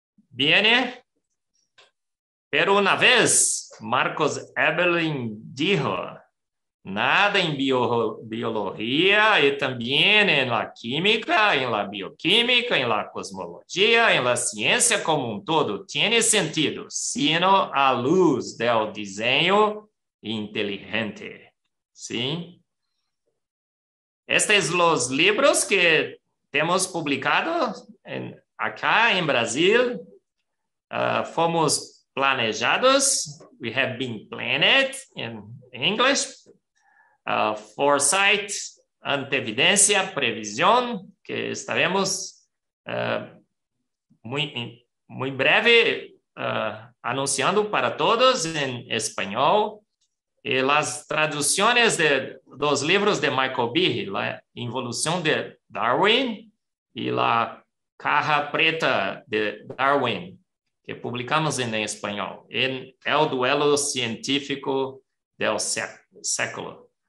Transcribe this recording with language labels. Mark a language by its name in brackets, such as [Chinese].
[Portuguese] Bem, pero uma vez, Marcos Eberlin disse: nada em biologia e também em la química, em la bioquímica, em la cosmologia, em la ciência como um todo tem sentido senão a luz do desenho inteligente, sim. Estes são os livros que temos publicado acá em Brasil. Fomos planejados. [English] We have been planned in English. [Portuguese] Foresight, antevidência, previsão, que estaremos muito breve anunciando para todos em espanhol. E as traduções dos livros de Michael Behe, a evolução de Darwin e a caixa preta de Darwin, que publicamos em espanhol, em El Duelo Científico del Século.